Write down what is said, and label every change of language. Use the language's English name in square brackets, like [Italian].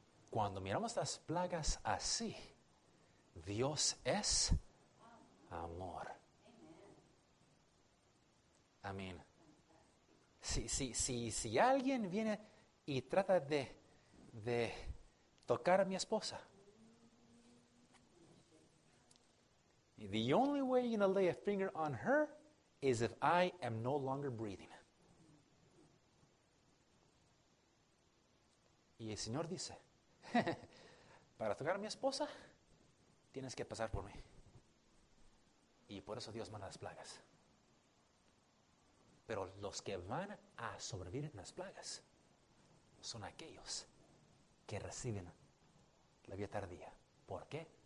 [Spanish] Cuando miramos las plagas así, Dios es amor. Amén. Si alguien viene y trata de tocar a mi esposa, [English] the only way you're going to lay a finger on her is if I am no longer breathing. [Spanish] Y el Señor dice, para tocar a mi esposa, tienes que pasar por mí. Y por eso Dios manda las plagas. Pero los que van a sobrevivir en las plagas son aquellos que reciben la vida tardía. ¿Por qué?